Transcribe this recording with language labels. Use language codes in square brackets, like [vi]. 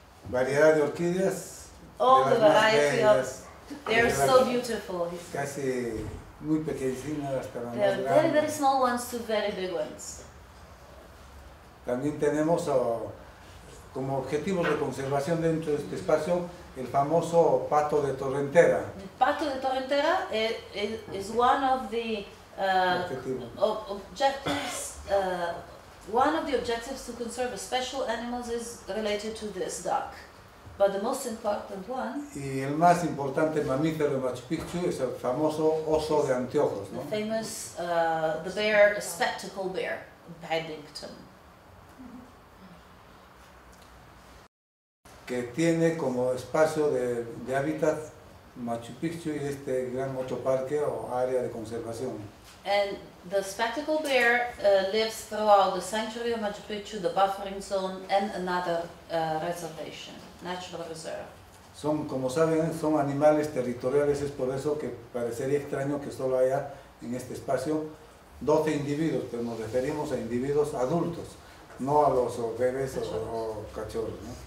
[es] Variedad de orquídeas. [en] All the variety of. They are so beautiful. [es] Casi muy pequeñas hasta las más grandes. [en] They are very, very small ones to very big ones. [es] También tenemos como objetivos de conservación dentro de este espacio el famoso pato de Torrentera. [en] Pato de Torrentera is one of the objectives. One of the objectives to conserve special animals is related to this duck. But the most important one. [es] Y el más importante mamífero de Machu Picchu es el famoso oso de anteojos, ¿no? [en] The famous the bear, the spectacle bear, Paddington. [es] Que tiene como espacio de hábitat Machu Picchu y este gran otro parque o área de conservación. [en] And the spectacle bear lives throughout the sanctuary of Machu Picchu, the buffering zone, and another reservation, natural reserve. [es] Son, como saben, son animales territoriales, es por eso que parecería extraño que solo haya en este espacio 12 individuos, pero nos referimos a individuos adultos, no a los bebés o cachorros, ¿no?